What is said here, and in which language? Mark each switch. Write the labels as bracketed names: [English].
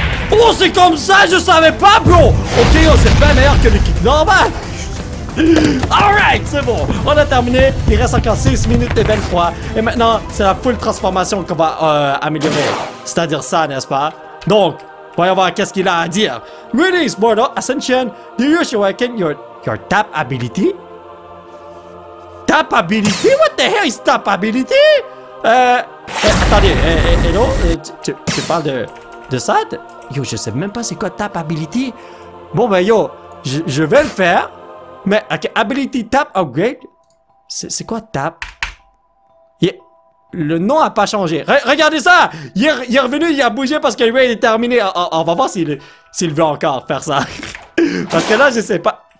[French] Oh, c'est comme ça, je savais pas, bro! Ok, on s'est fait meilleur que le kick normal! Alright, c'est bon! On a terminé, il reste encore 6 minutes de belle fois. Et maintenant, c'est la full transformation qu'on va améliorer. C'est-à-dire ça, n'est-ce pas? Donc, voyons voir qu'est-ce qu'il a à dire. [English] Greetings, Mortal Ascension! Do you wish to awaken your tap ability? Tap ability? What the hell is tap ability? [French] Attendez, hello, tu parles de ça? Yo, je sais même pas c'est quoi tap ability. Bon ben yo, je vais le faire. Mais ok, ability tap upgrade. C'est quoi tap? Le nom a pas changé. Regardez ça! Il est revenu, il a bougé parce que lui il est terminé. On va voir s'il veut encore faire ça. Parce que là, je sais pas.